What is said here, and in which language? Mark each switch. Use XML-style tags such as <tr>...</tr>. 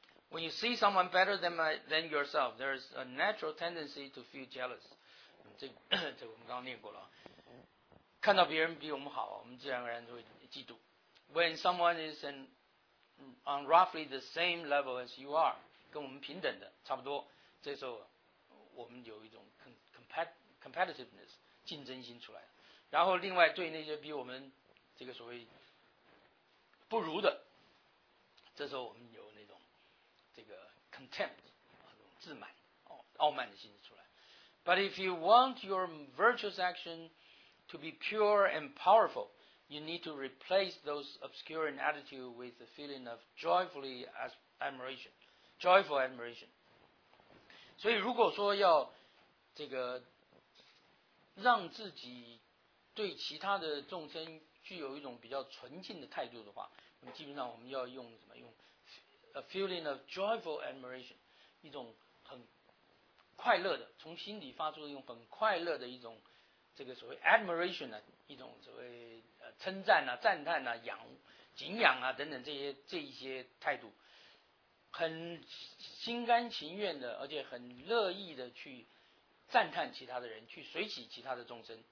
<en>When you see someone better than yourself, there is a natural tendency to feel jealous.</en> <zh>这我们刚刚念过了。看到别人比我们好，我们自然而然会嫉妒。</zh> <en>When someone is on roughly the same level as you are,</en> <zh>跟我们平等的差不多，这时候我们有一种 competitiveness 竞争心出来。然后另外对那些比我们这个所谓不如的，这时候我们有那种这个 contempt 啊，那种自满、傲慢的心出来。</zh> <en>But if you want your virtuous action to be pure and powerful, you need to replace those obscuring attitude with a feeling of joyful admiration.</en> <zh>所以，如果说要这个让自己对其他的众生具有一种比较纯净的态度的话，那么基本上我们要用什么？用</zh> <en>a feeling of joyful admiration，</en> <zh>一种很快乐的，从心底发出的，用很快乐的一种这个所谓 admiration 呢，一种所谓称赞啊、赞叹啊、敬仰啊等等这一些态度，很心甘情愿的，而且很乐意的去赞叹其他的人，去随喜其他的众生。</zh>